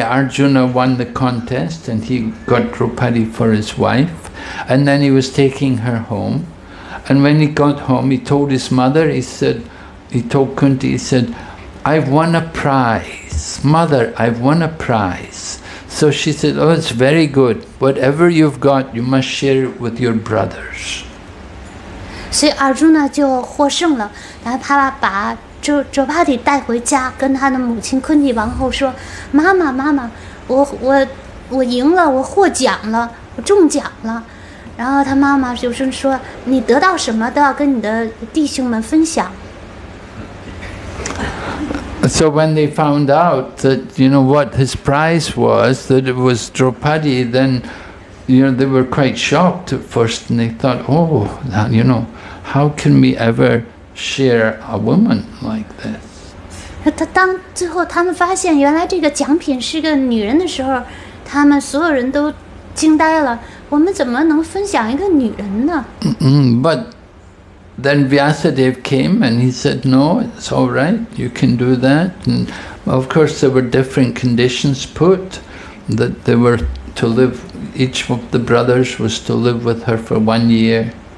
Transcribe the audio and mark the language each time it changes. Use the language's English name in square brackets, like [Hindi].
[English] Arjuna won the contest and he got Draupadi for his wife, and then he was taking her home. And when he got home, he told his mother, he told Kunti, I've won a prize. Mother, I've won a prize. So she said, oh, it's very good. Whatever you've got, you must share it with your brothers. So [Chinese] Arjuna 就获胜了，然后他把周巴迪带回家，跟他的母亲昆蒂王后说，妈妈，我赢了，我获奖了，我中奖了。然后他妈妈就说，你得到什么都要跟你的弟兄们分享。 [English] So when they found out that, you know, what his prize was, that it was Draupadi, then, you know, they were quite shocked at first, and they thought, oh, you know, how can we ever share a woman like this? [Chinese] 当最后他们发现原来这个奖品是个女人的时候，他们所有人都惊呆了，我们怎么能分享一个女人呢？ [English] But then Vyasadeva came and he said, no, it's all right, you can do that. And of course there were different conditions put, that they were to live, each of the brothers was to live with her for 1 year.